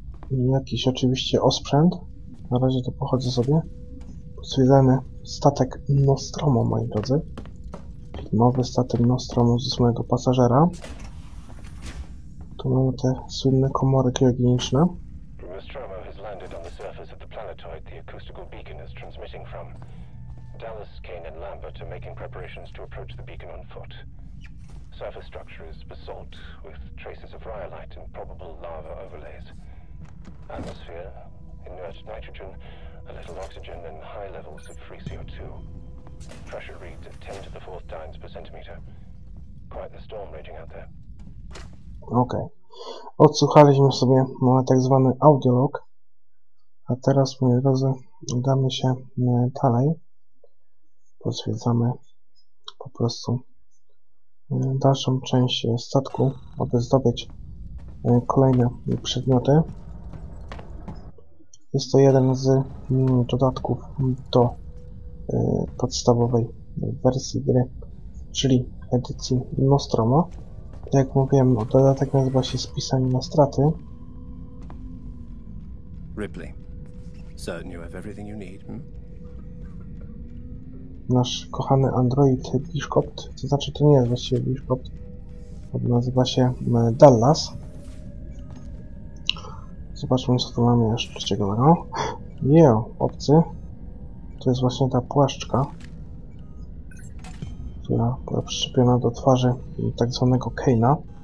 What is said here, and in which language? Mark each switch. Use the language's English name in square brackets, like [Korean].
[Polish] I jakiś oczywiście osprzęt. Na razie to pochodzę sobie. Zwiedzamy statek Nostromo, moi drodzy. Filmowy statek Nostromo z ósmego pasażera. Tu mamy te słynne komory kryogeniczne. [English] Nostromo has landed on the surface of the planetoid the acoustical beacon is transmitting from. Dallas, Kane and Lambert are making preparations to approach the beacon on foot. Surface structure is basalt with traces of rhyolite and probable lava overlays. Atmosphere, inert nitrogen, a little oxygen and high levels of free CO2. Pressure reads at 10 to the 4th dynes per centimeter. Quite the storm raging out there. Okay. [Polish] Odsłuchaliśmy sobie tak zwany audiolog. A teraz, moi drodzy, udamy się dalej. Pozwiedzamy po prostu dalszą część statku, aby zdobyć kolejne przedmioty. Jest to jeden z dodatków do podstawowej wersji gry, czyli edycji Nostromo. Jak mówiłem, dodatek nazywa się Spisanie na straty. [English] Ripley, certain you have everything you need, [Polish] Nasz kochany android Biszkopt, to znaczy to nie jest właściwie Biszkopt, nazywa się Dallas. Zobaczmy, co tu mamy jeszcze ciekawego. Jeo, obcy. To jest właśnie ta płaszczka, która była przyczepiona do twarzy tak zwanego Kane'a.